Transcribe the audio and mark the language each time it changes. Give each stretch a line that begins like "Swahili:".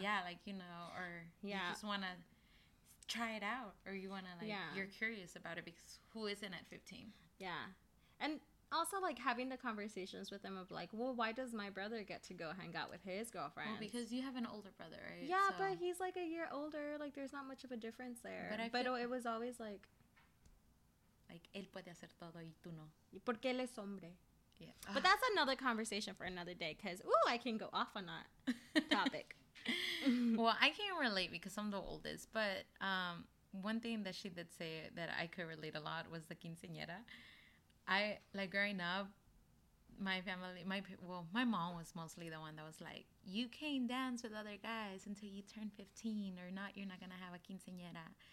English: Yeah, like, you know, or you just want to try it out, or you want to, like, you're curious about it because who isn't at 15? Yeah. And also, like, having the conversations with them of, like, well, why does my brother get to go hang out with his girlfriend? Well, because you have an older brother, right? Yeah, so. But he's, like, a year older. Like, there's not much of a difference there. But it was always, like.
Spanish: Like, él puede hacer todo y tú no. Porque él es hombre.
English: Yeah. But that's another conversation for another day because, I can go off on that topic. Well, I can't relate because I'm the oldest. But one thing that she did say that I could relate a lot was the quinceañera. I, like, growing up, my family, my mom was mostly the one that was like, you can't dance with other guys until you turn 15 or not, you're not going to have a quinceañera.